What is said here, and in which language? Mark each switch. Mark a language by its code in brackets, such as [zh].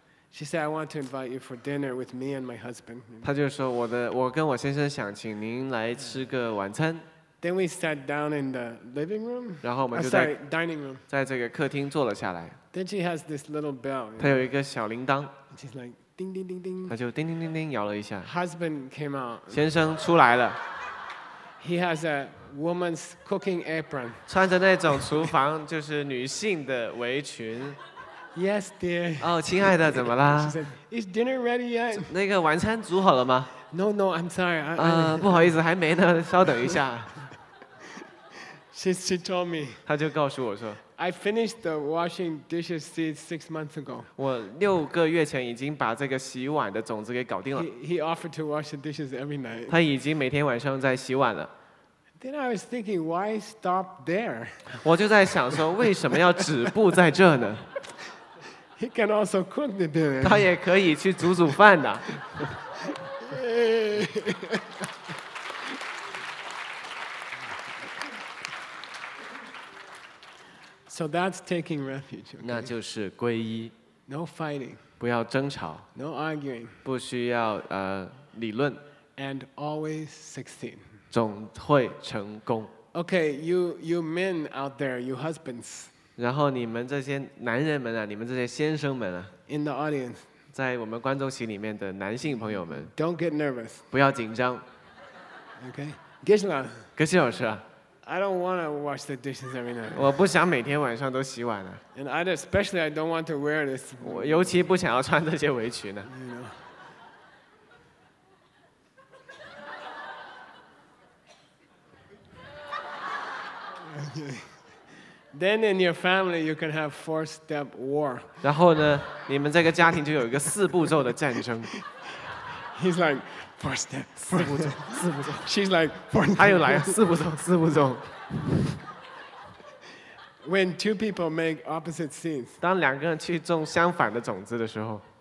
[en] She said, "I want to invite you for dinner with me and my husband." [zh] 他就说我的我跟我先生想请您来吃个晚餐。 [en] Then we sat down in the living room. [zh] 然后我们就在 [en] dining room. [zh] 在这个客厅坐了下来。 [en] Then she has this little bell. [zh] 他有一个小铃铛。 [en] She's like, "Ding ding ding ding." [zh] 他就叮叮叮叮摇了一下。 [en] Husband came out. [zh] 先生出来了。 [en] He has a woman's cooking apron. [zh] 穿着那种厨房就是女性的围裙。 [en] Yes, dear. [zh] 哦，亲爱的，怎么啦？ [en] She said, "Is dinner ready yet?" [zh] 那个晚餐煮好了吗？ [en] No, no, I'm sorry. [zh] 不好意思，还没呢，稍等一下。 [en] She told me. [zh] 他就告诉我说。 [en] I finished the washing dishes seed 6 months ago. [zh] 我六个月前已经把这个洗碗的种子给搞定了。 [en] He offered to wash the dishes every night. [zh] 他已经每天晚上在洗碗了。 [en] Then I was thinking, why stop there? [zh] 我就在想说，为什么要止步在这呢？ [en] He can also cook the dinner. [zh] 他也可以去煮煮饭的。 [en] So that's taking refuge. [zh] 那就是皈依。 [en] No fighting. [zh] 不要争吵。 [en] No arguing. [zh] 不需要理论。 [en] And always succeed. [zh] 总会成功。 [en] Okay, you men out there, you husbands. [zh] 然后你们这些男人们啊，你们这些先生们啊 [en] ，In the audience， [zh] 在我们观众席里面的男性朋友们 [en] ，Don't get nervous， [zh] 不要紧张，Okay， Geshe老师。 [en] I don't want to wash the dishes every night. [zh] 我不想每天晚上都洗碗了。 [en] And I especially I don't want to wear this. [zh] 我尤其不想要穿这些围裙呢。 [en] You know. Then in your family you can have 4-step war. [zh] 然后呢，你们这个家庭就有一个四步骤的战争。 [en] He's like. First step, [zh] 四步骤，四步骤。 [en] She's like, [zh] 他又来了，四步骤，四步骤。 [en] When two people make opposite seeds, [zh] 当两个人去种相反的种子的时候